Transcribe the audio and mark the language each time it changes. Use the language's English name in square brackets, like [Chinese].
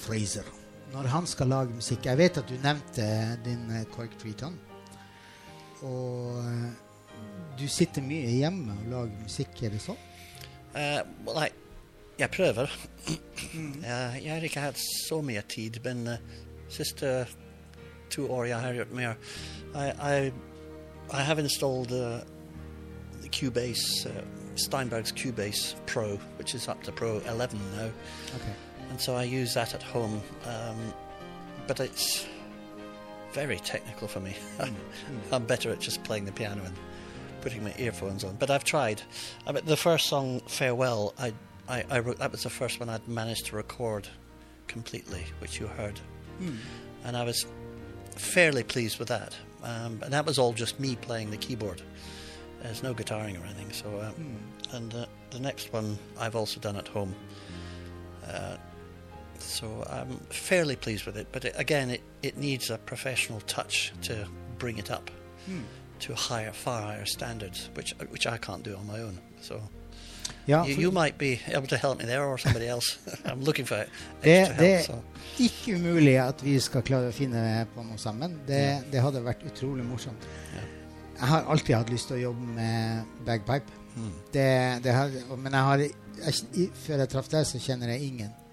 [Swedish] Fraser när han ska lage musik? Jag vet att du nämnde din Quark Triton. Och du sitter mycket hemma och lager musik, är det så? [English] Well, I... [Swedish] Jag prövar. Jag har inte haft så mycket tid, men... [English] Sister to Oria Harriet Mayer, I have installed the Cubase Steinberg's Cubase Pro, which is up to Pro 11 now. Okay. And so I use that at home, but it's very technical for me. I'm better at just playing the piano and putting my earphones on. But I've tried. I mean, the first song Farewell, I wrote that was the first one I'd managed to record completely, which you heard. Mm. And I was fairly pleased with that, and that was all just me playing the keyboard. There's no guitaring or anything. So, and the next one I've also done at home. So I'm fairly pleased with it, but it, again, it needs a professional touch to bring it up to higher, far higher standards, which I can't do on my own. So. Ja, you might be able to help me there or somebody else. I'm looking for extra help. [Norwegian] Det er ikke umulig at vi skal klare å finne på noe sammen. Det hadde vært utrolig morsomt. [English] Yeah. [Norwegian] Jeg har alltid hatt lyst til å jobbe med bagpipe. Mm. Men jeg har, før jeg traff deg så kjenner jeg ingen.